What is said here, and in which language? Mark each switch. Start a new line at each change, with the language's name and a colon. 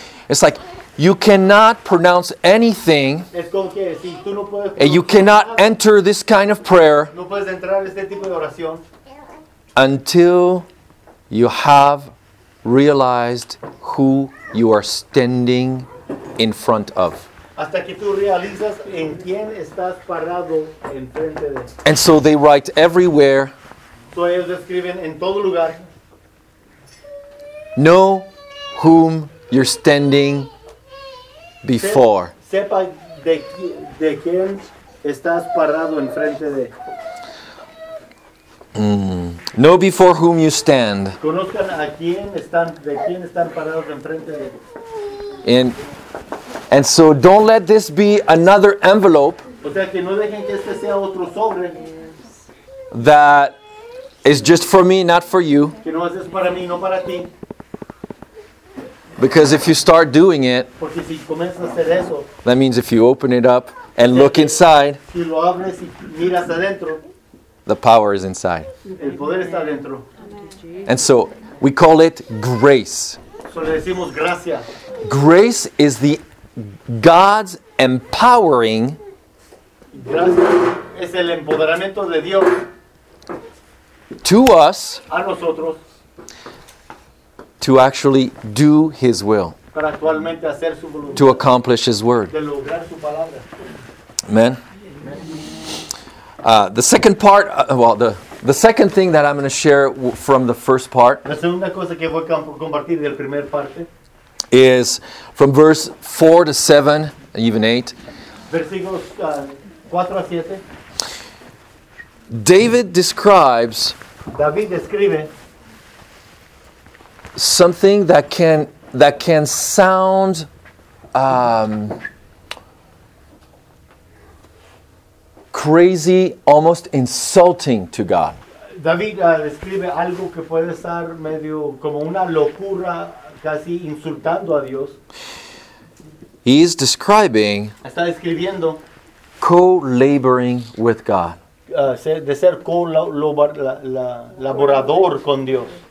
English: It's like, you cannot pronounce anything,
Spanish: es como que, si, tú no puedes pronunciar,
English: and you cannot enter this kind of prayer,
Spanish: no puedes entrar este tipo de oración,
English: until you have realized who you are standing in front of.
Spanish: Hasta que tú realizas en quién estás parado en frente de.
English: And so they write everywhere.
Spanish: So ellos escriben en todo lugar.
English: Know whom you're standing before.
Spanish: Sepa de quién estás parado en frente de.
English: Know before whom you stand.
Spanish: Conozcan a quién están, de quién están parados enfrente de.
English: And so don't let this be another envelope.
Spanish: O sea, que no dejen que este sea otro sobre.
English: that is just for me, not for you.
Spanish: Que no haces para mí, no para ti.
English: Because if you start doing it,
Spanish: porque si comienzas a hacer eso,
English: that means if you open it up and look inside,
Spanish: si lo abres y miras adentro,
English: the power is inside.
Spanish: El poder está adentro.
English: And so we call it grace.
Spanish: So le decimos gracia.
English: Grace is the God's empowering.
Spanish: Gracia es el empoderamiento de Dios.
English: To us.
Spanish: A nosotros.
English: To actually do His will.
Spanish: Para actualmente hacer su voluntad,
English: to accomplish His word.
Spanish: De lograr su palabra.
English: Amen. The second part, the second thing that I'm going to share from the first part.
Spanish: La segunda cosa que voy a compartir del primer parte.
English: Is from verse 4 to 7, even 8.
Spanish: Versículos 4 a 7.
English: David describes
Spanish: David describe
English: something that can sound crazy, almost insulting to God.
Spanish: David describe algo que puede estar medio como una locura, casi insultando a Dios.
English: He is describing
Spanish: está describiendo
English: co-laboring with God.
Spanish: De ser colaborador con Dios.